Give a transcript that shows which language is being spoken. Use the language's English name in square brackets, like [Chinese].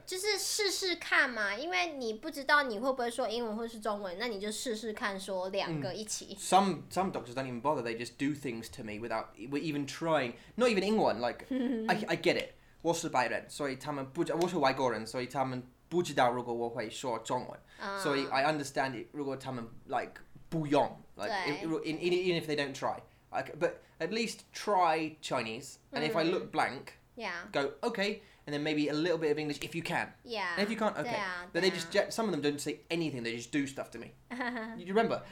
[Chinese] 就是试试看嘛, 因为你不知道你会不会说英文或是中文, 那你就试试看说两个一起。 [English] Some doctors don't even bother, they just do things to me without even trying. Not even 英文, like, I get it. [Chinese] 我是白人, 所以他们不知, 我是外国人, 所以他们不知道如果我会说中文。 [English] So I understand it, [Chinese] 如果他们, [English] like, 不用, like, even if they don't try. But at least try Chinese, and if I look blank, yeah. Go, okay, and then maybe a little bit of English if you can. Yeah. And if you can't, okay. Yeah, but they just, some of them don't say anything, they just do stuff to me. You remember?